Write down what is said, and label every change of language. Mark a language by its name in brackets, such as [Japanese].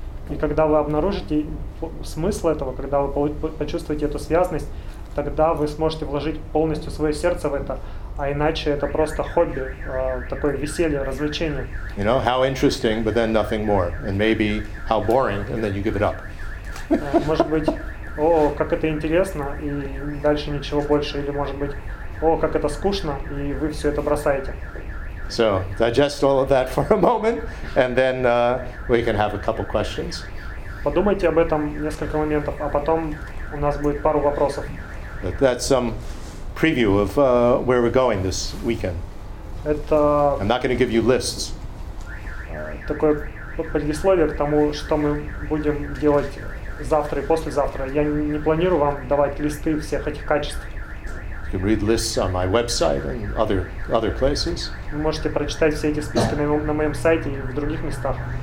[Russian] И когда вы обнаружите смысл этого, когда вы почувствуете эту связность, тогда вы сможете вложить полностью свое сердце в это, а иначе это просто хобби, такое веселье, развлечение. [English] You know, how interesting, but then nothing more. And maybe how boring, and then you give it up. [Russian] Может быть, о, как это интересно, и дальше ничего больше. Или может быть, о, как это скучно, и вы все это бросаете. [English] So, digest all of that for a moment, and then we can have a couple questions. [Russian] Подумайте об этом несколько моментов, а потом у нас будет пару вопросов. [English] That's some preview of where we're going this weekend. [Russian] Это... [English] I'm not going to give you lists. [Russian] Такое предисловие к тому, что мы будем делать завтра и послезавтра. Я не планирую вам давать листы всех этих качеств. [English] You can read lists on my website and other places. [Russian] Вы можете прочитать все эти списки на моем сайте и в других местах.